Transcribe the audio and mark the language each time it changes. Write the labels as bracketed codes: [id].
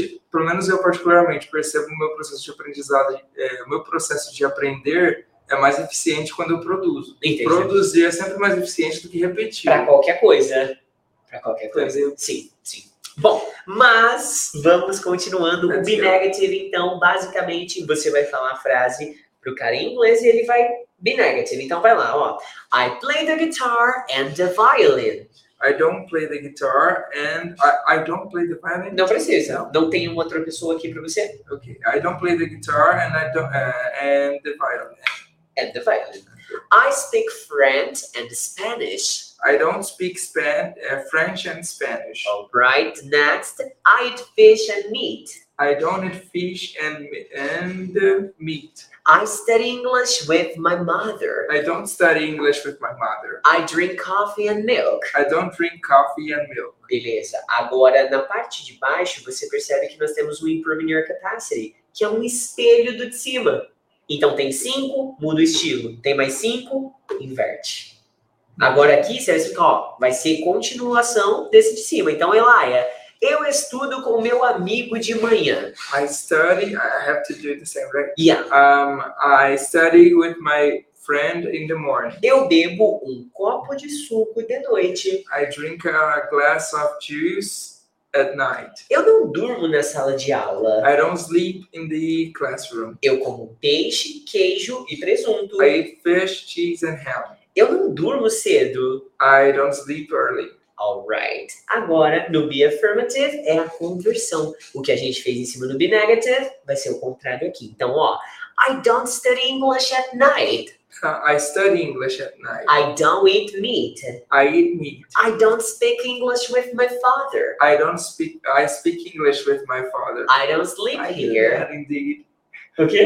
[pt] Pelo menos eu particularmente, percebo o meu processo de aprendizado, o meu processo de aprender é mais eficiente quando eu produzo. Entendi. Produzir é sempre mais eficiente do que repetir. Para qualquer coisa. Para qualquer coisa. Sim, sim. Bom, mas vamos continuando. O Be Negative, então, basicamente, você vai falar a frase pro cara em inglês e ele vai... Be negative. Então vai lá, ó. [en] I play the guitar and the violin. I don't play the guitar and I don't play the violin. [pt] Não precisa. Não tem uma outra pessoa aqui pra você. [en] Ok. I don't play the guitar and I don't and the violin. And the violin. I speak French and Spanish. I don't speak French and Spanish. All right. Next. I eat fish and meat. I don't eat fish and meat. I study English with my mother. I don't study English with my mother. I drink coffee and milk. I don't drink coffee and milk. [pt] Beleza. Agora, na parte de baixo, você percebe que nós temos o Improving Your Capacity, que é um espelho do de cima. Então, tem 5, muda o estilo. Tem mais 5, inverte. Agora aqui, você vai explicar, ó, vai ser continuação desse de cima. Então, Elaia, eu estudo com meu amigo de manhã. [en] I study, I have to do the same, right? Yeah. I study with my friend in the morning. [pt] Eu bebo um copo de suco de noite. [en] I drink a glass of juice at night. [pt] Eu não durmo na sala de aula. [en] I don't sleep in the classroom. [pt] Eu como peixe, queijo e presunto. [en] I eat fish, cheese and ham. [pt] Eu não durmo cedo. [en] I don't sleep early. Alright. [pt] Agora, no Be Affirmative, é a conversão. O que a gente fez em cima do Be Negative vai ser o contrário aqui. Então, ó. [en] I don't study English at night. I study English at night. I don't eat meat. I eat meat. I don't speak English with my father. I speak English with my father. I don't sleep here. I do that indeed. Okay.